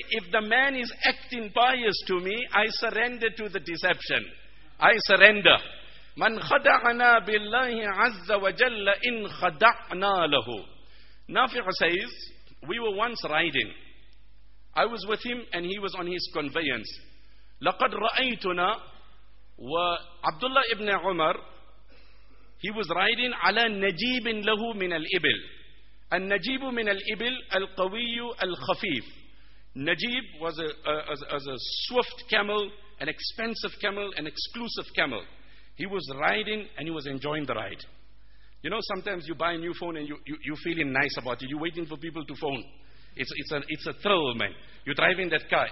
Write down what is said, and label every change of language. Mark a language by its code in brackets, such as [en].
[en] If the man is acting pious to me, I surrender to the deception. I surrender. [ar] مَنْ خَدَعَنَا بِاللَّهِ عَزَّ وَجَلَّ إِنْ خَدَعْنَا لَهُ. [en] Nafi' says, we were once riding. I was with him and he was on his conveyance. [ar] لَقَدْ رَأَيْتُنَا وَعَبْدُ اللَّهِ ibn Umar, [en] he was riding [ar] عَلَى نَجِيبٍ لَهُ مِنَ الْإِبِلِ. النَّجِيبُ مِنَ الْإِبِلِ الْقَوِيُّ الْخَفِيفِ. [en] Najib was a swift camel, an expensive camel, an exclusive camel. He was riding and he was enjoying the ride. You know, sometimes you buy a new phone and you're feeling nice about it. You're waiting for people to phone. It's a thrill, man. You're driving that car.